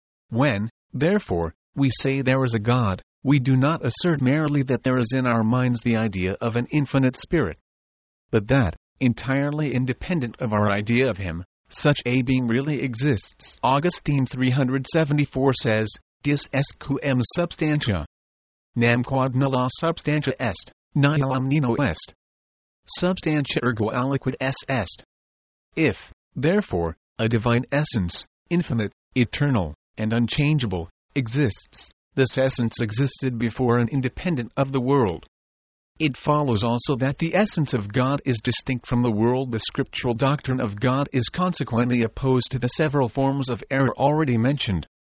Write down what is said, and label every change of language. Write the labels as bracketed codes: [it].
[en] When, therefore, we say there is a God, we do not assert merely that there is in our minds the idea of an infinite spirit, but that, entirely independent of our idea of him, such a being really exists. Augustine 374 says, [la] Dis est quem substantia. Nam quod nulla substantia est, nihil omnino est. Substantia ergo aliquid est. [en] If, therefore, a divine essence, infinite, eternal, and unchangeable, exists, this essence existed before and independent of the world. It follows also that the essence of God is distinct from the world. The scriptural doctrine of God is consequently opposed to the several forms of error already mentioned.